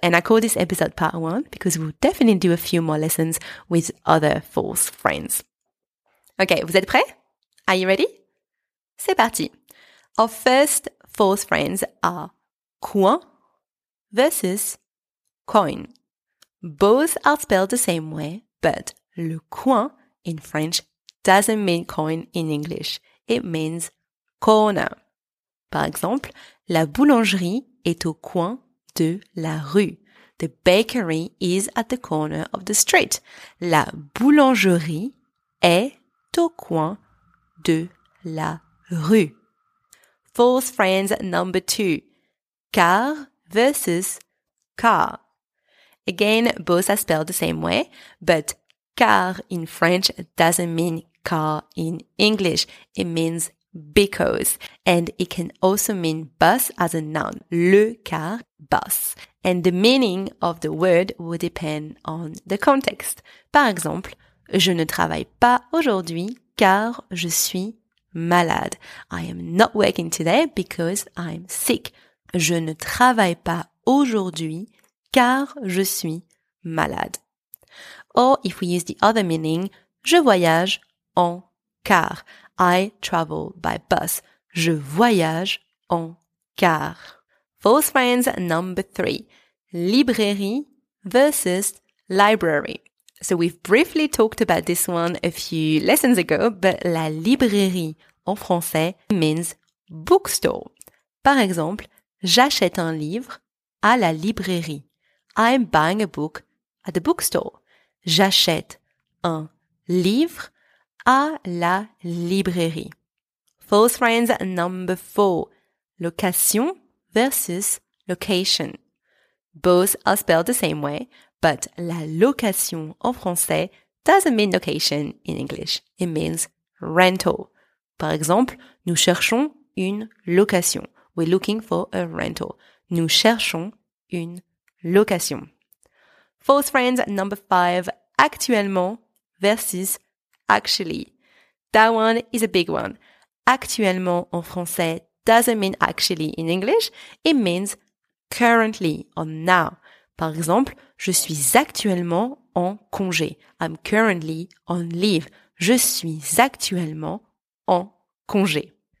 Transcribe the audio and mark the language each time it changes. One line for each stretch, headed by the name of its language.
English: And I call this episode part one because we'll definitely do a few more lessons with other false friends. Okay,
French: vous êtes prêts?
English: Are you ready?
French: C'est parti.
English: Our first false friends are coin versus coin. Both are spelled the same way, but le coin in French doesn't mean coin in English. It means corner.
French: Par exemple, la boulangerie est au coin de la rue.
English: The bakery is at the corner of the street.
French: La boulangerie est au coin de la rue.
English: False friends number two. Car versus car. Again, both are spelled the same way, but car in French doesn't mean car in English. It means because, and it can also mean bus as a noun, le car, bus. And the meaning of the word will depend on the context.
French: Par exemple, je ne travaille pas aujourd'hui car je suis malade.
English: I am not working today because I'm sick.
French: Je ne travaille pas aujourd'hui car je suis malade.
English: Or, if we use the other meaning,
French: je voyage en car.
English: I travel by bus.
French: Je voyage en car.
English: False friends number three. Librairie versus library. So we've briefly talked about this one a few lessons ago, but la librairie
French: en français
English: means bookstore.
French: Par exemple, j'achète un livre à la librairie.
English: I'm buying a book at the bookstore.
French: J'achète un livre à la librairie.
English: False friends number four. Location versus location. Both are spelled the same way, but la location
French: en français
English: doesn't mean location in English. It means rental.
French: Par exemple, nous cherchons une location.
English: We're looking for a rental.
French: Nous cherchons une location.
English: False friends number five. Actuellement versus actually, that one is a big one. Actuellement
French: en français
English: doesn't mean actually in English. It means currently or now.
French: Par exemple, je suis actuellement en congé.
English: I'm currently on leave.
French: Je suis actuellement en congé.